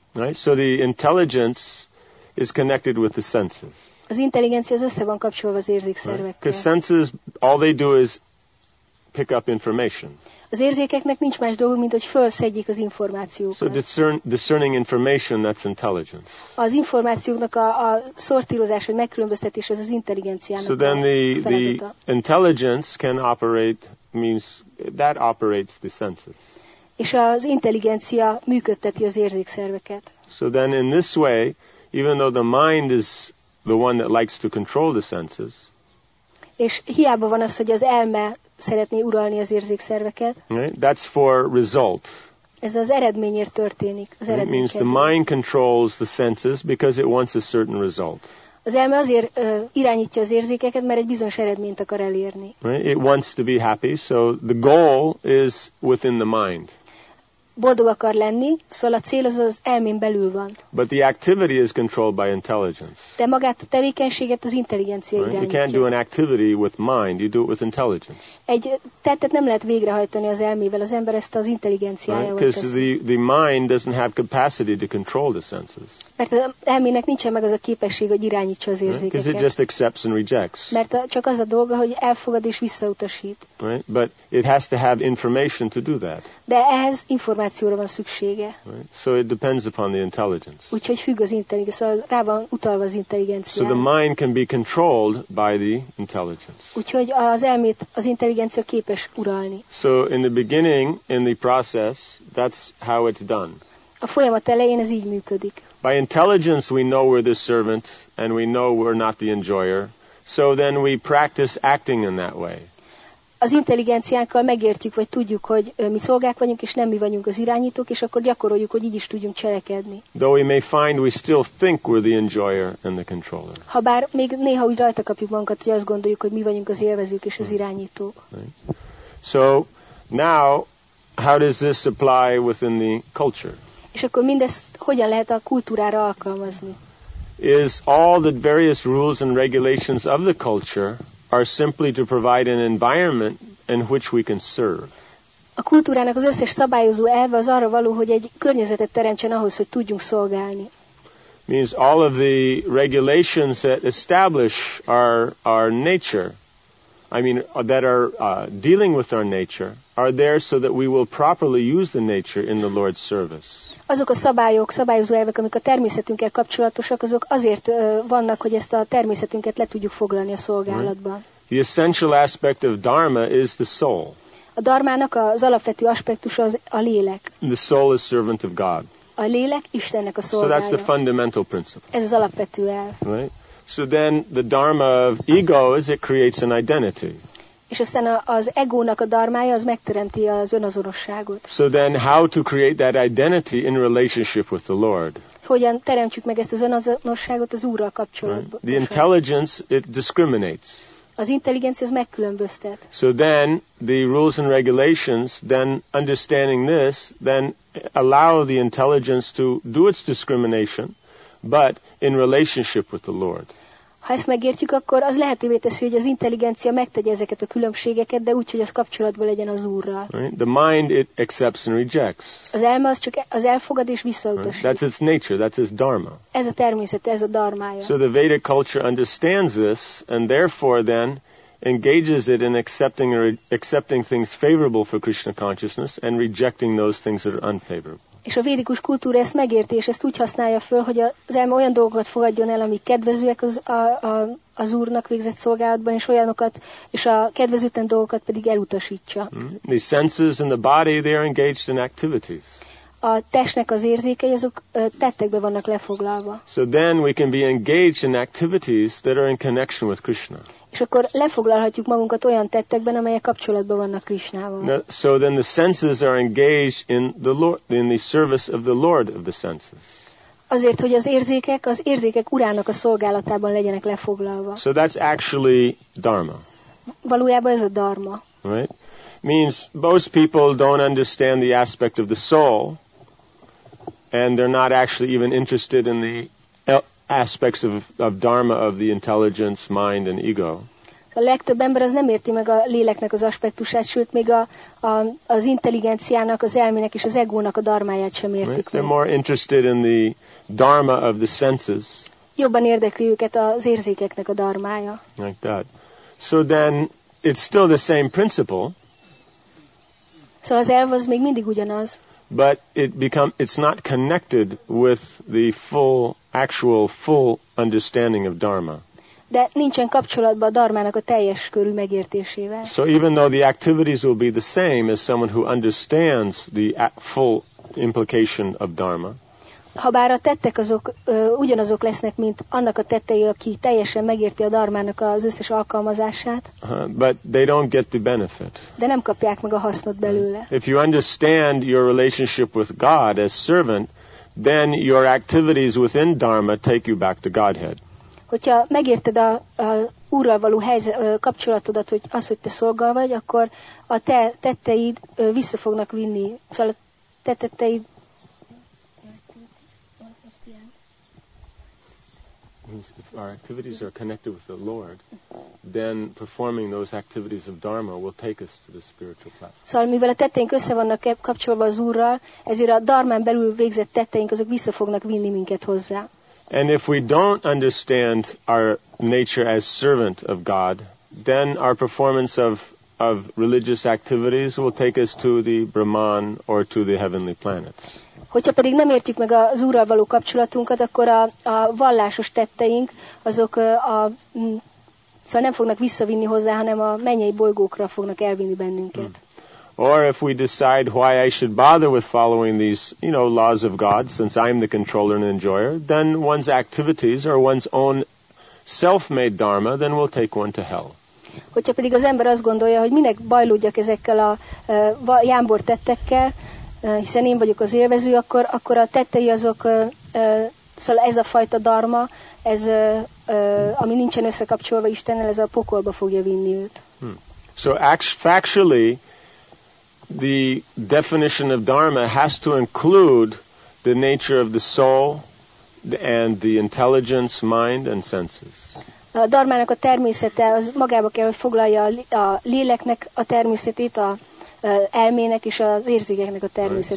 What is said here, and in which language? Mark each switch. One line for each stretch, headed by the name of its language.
English: Right? So the intelligence is connected with the senses.
Hungarian: Az intelligencia az össze van kapcsolva az érzékszervekkel.
English: Because senses, all they do is pick up information.
Hungarian: Az érzékeknek nincs más dolga, mint hogy felszedjék az információkat.
English: So discerning information, that's intelligence.
Hungarian: Az információknak a szortírozás, vagy megkülönböztetés, az az intelligenciának.
English: So then the intelligence can operate, means that operates the senses.
Hungarian: És az intelligencia működteti az érzékszerveket.
English: So then in this way, even though the mind is the one that likes to control the senses.
Hungarian: És hiába van az, hogy az elme szeretné uralni az érzékszerveket.
English: Right? That's for result.
Hungarian: Ez az eredményért történik. Az
English: it means the mind controls the senses because it wants a certain result.
Hungarian: Az elme azért irányítja az érzékeket, mert egy bizonyos eredményt akar elérni.
English: Right? It wants to be happy, so the goal is within the mind.
Hungarian: Boldog akar lenni, szóval a cél az az elmén belül van.
English: But the activity is controlled by intelligence.
Hungarian: De magát a tevékenységet az intelligencia
English: right?
Hungarian: irányítja.
English: You can't do an activity with mind, you do it with intelligence.
Hungarian: Egy tettet nem lehet végrehajtani az elmével, az ember ezt az intelligenciájával teszi.
English: Because the mind doesn't have capacity to control the senses.
Hungarian: Mert az elmének nincsen meg az a képesség, hogy irányítsa az érzékeket.
English: Because it just accepts and rejects.
Hungarian: Mert csak az a dolga, hogy elfogad és visszautasít.
English: Right? But it has to have information to do that.
Hungarian: De ehhez információra van szüksége.
English: Right? So it depends upon the intelligence.
Hungarian: Úgyhogy függ az intelligencia, szóval rá van utalva az intelligencia.
English: So the mind can be controlled by the intelligence.
Hungarian: Úgyhogy az elmét az intelligencia képes uralni.
English: So in the beginning, in the process, that's how it's done.
Hungarian: A folyamat elején ez így működik.
English: By intelligence we know we're the servant and we know we're not the enjoyer. So then we practice acting in that way.
Hungarian: Az intelligenciánkkal megértjük, vagy tudjuk, hogy mi szolgák vagyunk, és nem mi vagyunk az irányítók, és akkor gyakoroljuk, hogy így is tudjunk cselekedni.
English: Though we may find we still think we're the enjoyer and the controller.
Hungarian: Habár még néha úgy rajta kapjuk magunkat, hogy azt gondoljuk, hogy mi vagyunk az élvezők és az irányítók.
English: Right. So, now, how does this apply within the culture?
Hungarian: És akkor mindezt hogyan lehet a kultúrára alkalmazni?
English: Is all the various rules and regulations of the culture are simply to provide an environment in which we can serve.
Hungarian: A kultúrának az összes szabályozó elve az arra való, hogy egy környezetet teremtsen ahhoz, hogy tudjunk szolgálni.
English: Means all of the regulations that establish our nature, I mean, that are dealing with our nature, are there so that we will properly use the nature in the Lord's service.
Hungarian: Azok a szabályok, szabályozó elvek, amik a természetünkkel kapcsolatosak, azok azért vannak, hogy ezt a természetünket le tudjuk foglalni a szolgálatban.
English: Right. The essential aspect of dharma is the soul.
Hungarian: A dharmának az alapvető aspektusa az a lélek.
English: The soul is servant of God.
Hungarian: A lélek Istennek a szolgálja.
English: So that's the fundamental principle.
Hungarian: Ez az alapvető elv.
English: Right? So then the dharma of ego is it creates an identity.
Hungarian: És aztán az egónak a dharmája az megteremti az önazonosságot.
English: So then how to create that identity in relationship with the Lord?
Hungarian: Hogyan teremtjük meg ezt az önazonosságot az Úrral kapcsolatban?
English: Right. The intelligence, it discriminates.
Hungarian: Az intelligencia az megkülönböztet.
English: So then the rules and regulations, then understanding this, then allow the intelligence to do its discrimination, but in relationship with the Lord.
Hungarian: ha ezt megértjük, akkor az lehetővé teszi, hogy az intelligencia megtegye ezeket a különbségeket, de úgy, hogy az kapcsolatban legyen az Úrral.
English: Right? The mind it accepts and rejects.
Hungarian: Az elme az csak az elfogad és visszautasít.
English: Right? That's its nature, that's its dharma.
Hungarian: Ez a természet, ez a dharmája.
English: So the Vedic culture understands this, and therefore then engages it in accepting or accepting things favorable for Krishna consciousness and rejecting those things that are unfavorable.
Hungarian: És a védikus kultúra ezt megérti, és ezt úgy használja föl, hogy az elme olyan dolgokat fogadjon el, amik kedvezőek az Úrnak végzett szolgálatban, és olyanokat, és a kedvezőtlen dolgokat pedig elutasítsa.
English: The senses and the body, they are engaged in activities.
Hungarian: A testnek az érzékei, azok tettekbe vannak lefoglalva.
English: So then we can be engaged in activities that are in connection with Krishna.
Hungarian: És akkor lefoglalhatjuk magunkat olyan tettekben, amelyek kapcsolatban vannak Krisnával.
English: So then the senses are engaged in the Lord, in the service of the Lord of the senses.
Hungarian: Azért, hogy az érzékek urának a szolgálatában legyenek lefoglalva.
English: So that's actually dharma.
Hungarian: Valójában ez a dharma.
English: Right? Means most people don't understand the aspect of the soul, and they're not actually even interested in the aspects of dharma of the intelligence, mind and ego.
Hungarian: A legtöbb ember az nem érti meg a léleknek az aspektusát, sőt még az intelligenciának, az elmének és az egónak a dharmáját sem értik.
English: Right? They're more interested in the dharma of the senses.
Hungarian: Jobban érdekli őket az érzékeknek a dharmája.
English: Like that. So then it's still the same principle.
Hungarian: Szóval az elv az még mindig ugyanaz.
English: But it's not connected with the full understanding of dharma.
Hungarian: De nincsen kapcsolatban a dharmának a teljes körű megértésével.
English: So even though the activities will be the same as someone who understands the full implication of dharma.
Hungarian: Habár a tettek azok ugyanazok lesznek, mint annak a tettei, aki teljesen megérti a dharmának az összes alkalmazását.
English: But they don't get the benefit.
Hungarian: De nem kapják meg a hasznot belőle.
English: If you understand your relationship with God as servant, then your activities within dharma take you back to Godhead.
Hungarian: Hogyha megérted a Úrral való kapcsolatodat, hogy az, hogy te szolga vagy, akkor a te tetteid vissza fognak vinni, szóval a te tetteid.
English: If our activities are connected with the Lord, then performing those activities of dharma will take us to the spiritual platform.
Hungarian: Szóval, mivel a tetteink össze vannak kapcsolva az Úrral, ezért a dharmán belül végzett tetteink azok vissza fognak vinni minket hozzá.
English: And if we don't understand our nature as servant of God, then our performance of religious activities will take us to the Brahman or to the heavenly planets.
Hungarian: Hogyha pedig nem értjük meg az Úrral való kapcsolatunkat, akkor a vallásos tetteink azok szóval nem fognak visszavinni hozzá, hanem a mennyei bolygókra fognak elvinni bennünket.
English: Or if we decide why I should bother with following these, you know, laws of God, since I'm the controller and enjoyer, then one's activities or one's own self-made dharma then will take one to hell.
Hungarian: Hogyha pedig az ember azt gondolja, hogy minek bajlódjak ezekkel a jámbor tettekkel, hiszen én vagyok az élvező, akkor a tettei azok, szóval ez a fajta dharma, ez ami nincsen összekapcsolva Istennel, ez a pokolba fogja vinni őt.
English: So factually, the definition of dharma has to include the nature of the soul and the intelligence, mind and senses.
Hungarian: A dharmának a természete az magába kell, hogy foglalja a léleknek a természetét, a elmének és az érzékeknek a természetét.